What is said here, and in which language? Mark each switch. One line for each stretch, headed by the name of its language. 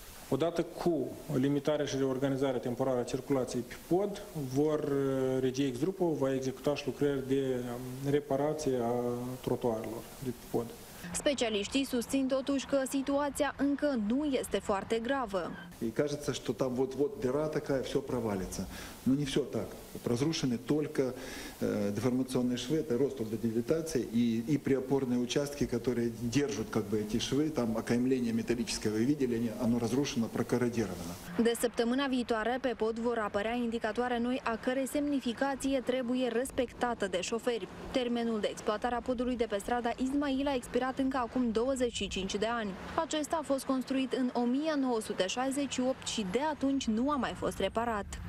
Romanian: Odată cu limitarea și reorganizarea temporară a circulației pe pod, vor regia Exgrupo va executa și lucrări de reparație a trotuarelor de pe pod. Specialiștii susțin totuși că situația încă nu este foarte gravă.
Russian: И кажется, что там вот-вот дыра такая, все провалится. Но не все так. Разрушены только деформационные швы, это рост до дебилитации, и приопорные участки, которые держат как бы эти швы, там окаймление металлическое, вы видели, оно разрушено, прокорродировано.
Romanian: De săptămâna viitoare pe pod vor apărea indicatoare noi, a cărei semnificație trebuie respectată de șoferi. Termenul de exploatare a podului de pe strada Ismail a expirat încă acum 25 de ani. Acesta a fost construit în 1960 și de atunci nu a mai fost reparat.